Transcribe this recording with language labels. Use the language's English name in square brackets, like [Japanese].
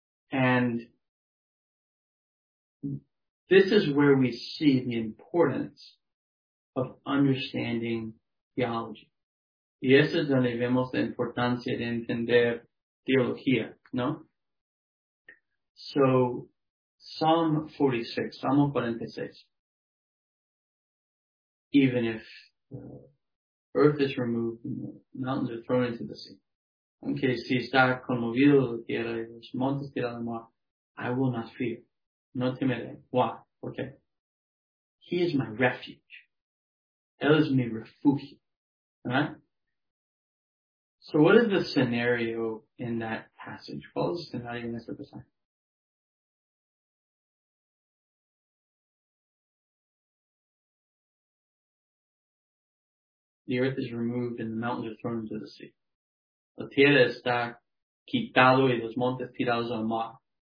[English] And this is where we see the importance of understanding theology. [Spanish] Y eso es donde vemos la importancia de entender teología, ¿no? [English] So, Psalm 46, [Spanish] Salmo 46. [English] Even if earth is removed and the mountains are thrown into the sea. [Spanish] Aunque si está conmovido la tierra y los montes tirados al mar, [English] I will not fear. [Spanish] No temeré. [English] Why? Okay. He is my refuge. [Spanish] Él es mi refugio. [English] Right? So what is the scenario in that passage? What is the scenario in this passage? The earth is removed and the mountains are thrown into the sea. [Spanish] La tierra está quitado y los montes tirados al mar.